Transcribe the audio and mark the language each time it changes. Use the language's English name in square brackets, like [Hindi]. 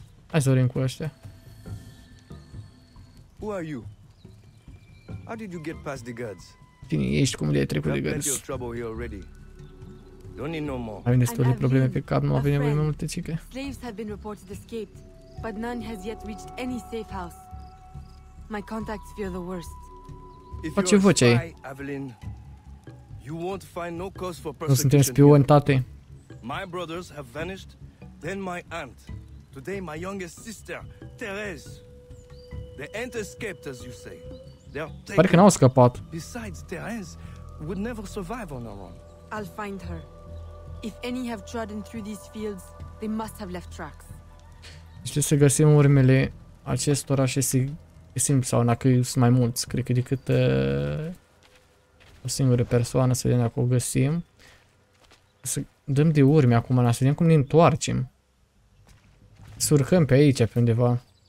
[Romanian] Hai să vorbim cu ăștia. [English] Who are you? How did you get past the guards? [Romanian] Cine ești, cum le-ai trecut de guards? [English] Don't need no more. [Romanian] Avem destul de probleme pe cap, nu avem nevoie mai multe cică. [English] Slaves have been reported escaped, but none has yet reached any safe house. My contacts fear the worst. If you're a spy, Evelyn, you won't find no cause for persecution here. My brothers have vanished, then my aunt, today my youngest sister, Therese. They ain't escaped, as you say. [Romanian] Pare că n-au scăpat. [English] Besides, Therese would never survive on her own. I'll find her. If any have trodden through these fields, they must have left tracks. [Romanian] Deci să găsim urmele acestor așezi. E simplu, sau dacă sunt mai mulți, cred că decât o singură persoană, să vedem dacă o găsim. Să dăm de urme acum, să vedem cum ne întoarcem. Să urcăm pe aici, pe undeva.